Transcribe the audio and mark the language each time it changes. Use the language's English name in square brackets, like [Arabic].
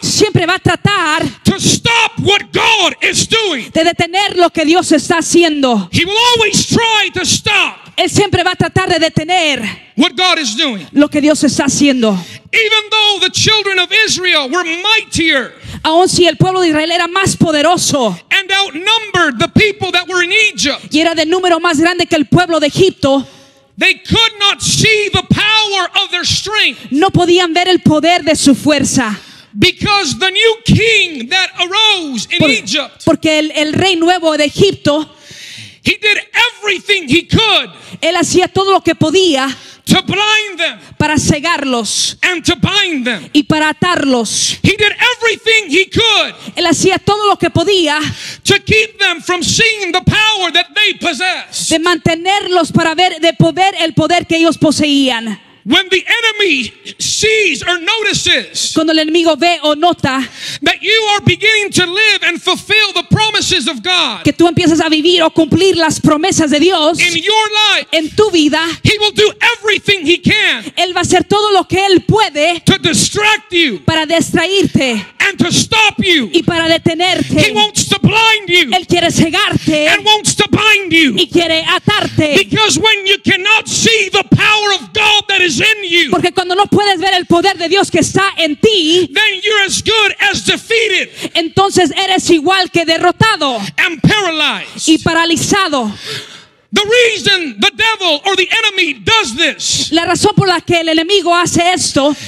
[Spanish] siempre va a tratar, [English] to stop what God is doing, [Spanish] de detener lo que Dios está haciendo. [English] He will always try to stop, [Spanish] él siempre va a tratar de detener, [English] what God is doing, [Spanish] lo que Dios está haciendo. [English] Even though the children of Israel were mightier, [Spanish] aun si el pueblo de Israel era más poderoso, [English] and outnumbered the people that were in Egypt, [Spanish] y era de número más grande que el pueblo de Egipto. [English] They could not see the power of their strength. [Spanish] No podían ver el poder de su fuerza. [English] Because the new king that arose in Egypt. [Spanish] Porque el rey nuevo de Egipto. [English] He did everything he could. [Spanish] Él hacía todo lo que podía. [English] To blind them. [Spanish] Para cegarlos. [English] And to bind them. [Spanish] Y para atarlos. [English] He did everything he could. [Spanish] Él hacía todo lo que podía. [English] To keep them from seeing the power that they possessed. [Spanish] De mantenerlos para ver de poder el poder que ellos poseían. [English] When the enemy sees or notices, [Spanish] cuando el enemigo ve o nota, [English] that you are beginning to live and fulfill the promises of God, [Spanish] que tú empiezas a vivir o cumplir las promesas de Dios, [English] in your life, [Spanish] en tu vida, [English] he will do everything he can, [Spanish] él va a hacer todo lo que él puede, [English] to distract you, [Spanish] para distraerte, [English] and to stop you, [Spanish] y para detenerte, [English] he wants to blind you, [Spanish] él quiere cegarte, [English] and wants to bind you, [Spanish] y quiere atarte, [English] because when you cannot see the power of God that is in you. [Spanish] Porque cuando no puedes ver el poder de Dios que está en ti, [English] then you're as good as defeated. [Spanish] Entonces eres igual que derrotado. [English] And paralyzed. [Spanish] Y paralizado. [English] The reason the devil or the enemy does this, [Spanish] la razón por la que el enemigo hace esto,